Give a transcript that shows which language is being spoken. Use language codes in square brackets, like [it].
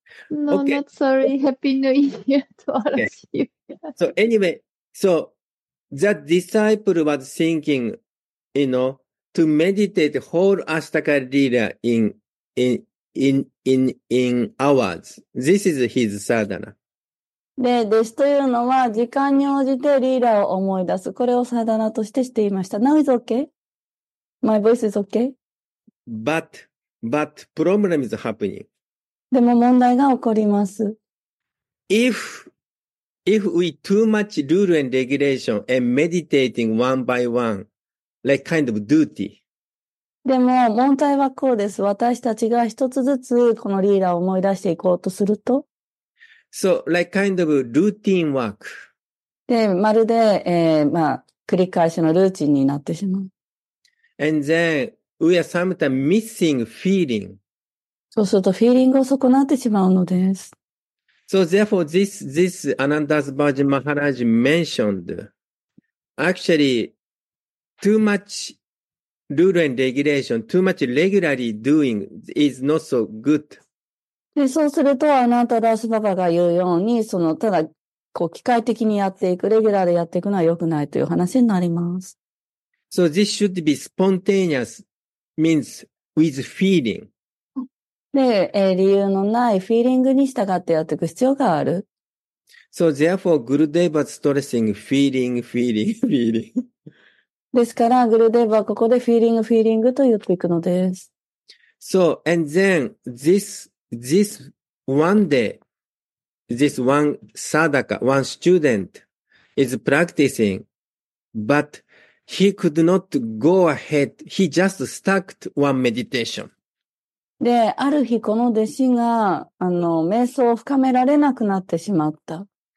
[en] No, okay. Not sorry. Happy New Year to all of you. So anyway, so that disciple was thinking, you know, to meditate whole Ashtaka Lila in hours. This is his sadhana. [ja] で、弟子というのは、時間に応じてリーラーを思い出す。これをサダナとしてしていました。 [en] Now is okay? My voice is okay? But, problem is happening. [ja] でも問題が起こります。 [en] If we too much rule and regulation and meditating one by one, like kind of duty. [ja] でも問題はこうです。私たちが一つずつこのリーラーを思い出していこうとすると、 [en] So, like kind of routine work. [ja] で、まるで、まあ、繰り返しのルーチンになってしまう。 [en] And then, we are sometimes missing feeling. [ja] そうすると、フィーリングを損なってしまうのです。 [en] So, therefore, this Anandas Bhaji Maharaj mentioned, actually, too much rule and regulation, too much regularly doing is not so good. [ja] でそうすると、アナンタダスババが言うように、ただ、こう、機械的にやっていく、レギュラーでやっていくのは良くないという話になります。 [en] So this should be spontaneous, means with feeling. [ja] で、理由のないフィーリングに従ってやっていく必要がある。 [en] So therefore, Gurudeva stressing feeling, feeling, feeling. [ja] ですから、グルデーバはここでフィーリング、フィーリングと言っていくのです。 [en] So, and then, this one sadaka, one student is practicing, but he could not go ahead. He just stuck to one meditation. [ja] で、ある日この弟子が、瞑想を深められなくなってしまった。